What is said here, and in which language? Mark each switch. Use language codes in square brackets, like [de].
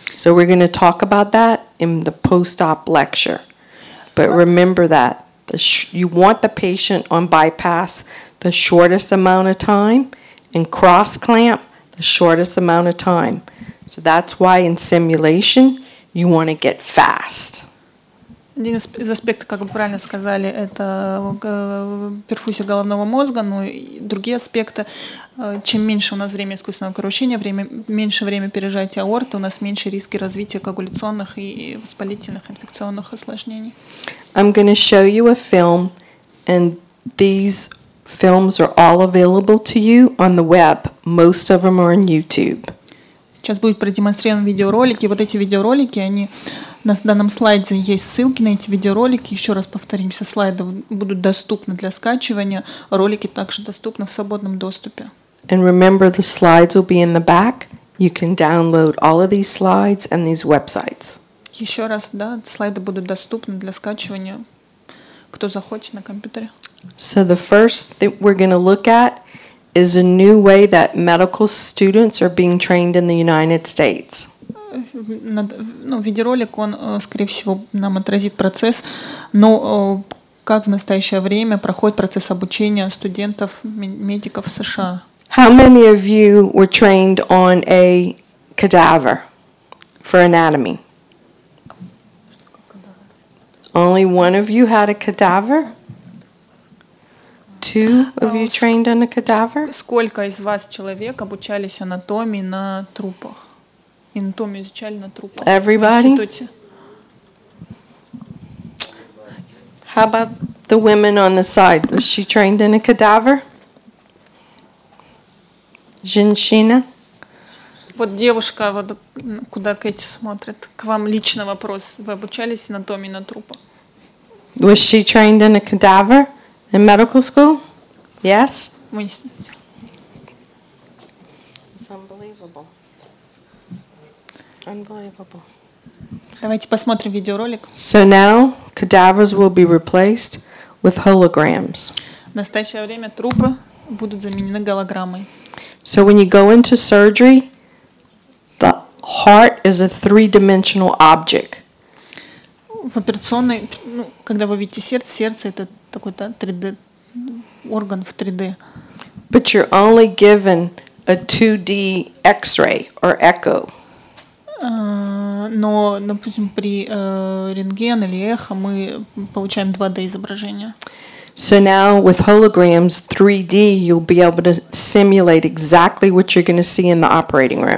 [en] So we're going to talk about that in the post-op lecture. But remember that you want the patient on bypass the shortest amount of time, and cross-clamp the shortest amount of time. So that's why in simulation you want to get fast. [ru] Один из аспектов, как вы правильно сказали, это перфузия головного мозга, но и другие аспекты. Чем меньше у нас время искусственного кровообращения, меньше время пережатия аорты, у нас меньше риски развития коагуляционных и воспалительных инфекционных осложнений. [en] I'm going to show you a film, and these films are all available to you on the web. Most of them are on YouTube. [ru] Сейчас будет продемонстрирован видеоролик, и вот эти видеоролики, они на данном слайде есть ссылки на эти видеоролики. Еще раз повторимся, слайды будут доступны для скачивания, ролики также доступны в свободном доступе. [en] And remember, the slides will be in the back. You can download all of these slides and these websites. [ru] Еще раз, да, слайды будут доступны для скачивания, кто захочет на компьютере. [en] So the first thing we're going to look at is a new way that medical students are being trained in the United States. [ru] Ну, видеоролик, он, скорее всего, нам отразит процесс, но как в настоящее время проходит процесс обучения студентов, медиков в США? [en] How many of you were trained on a cadaver for anatomy? Only one of you had a cadaver? Two of you trained on a cadaver? [ru] Сколько из вас человек обучались анатомии на трупах? Анатомию изучали на трупах? [en] Everybody? How about the women on the side? Was she trained in a cadaver? [ru] Женщина? Вот девушка, вот куда Кэти смотрит, к вам лично вопрос. Вы обучались анатомии на трупах? [en] Was she trained in a cadaver in medical school? Yes. It's unbelievable. Unbelievable. [ru] Давайте посмотрим видеоролик. [en] So now cadavers will be replaced with holograms. [ru] В настоящее время трупы будут заменены голограммой. [en] So when you go into surgery, the heart is a three-dimensional object. [ru] В операционной, ну, когда вы видите сердце, сердце это такой, да, 3D орган в 3D. [en] But you're only given a 2D X-ray or echo. [ru] Но, допустим, при рентген или эхо мы получаем 2D изображение. [en] So now with holograms 3D you'll be able to simulate exactly what you're going to see in the operating room.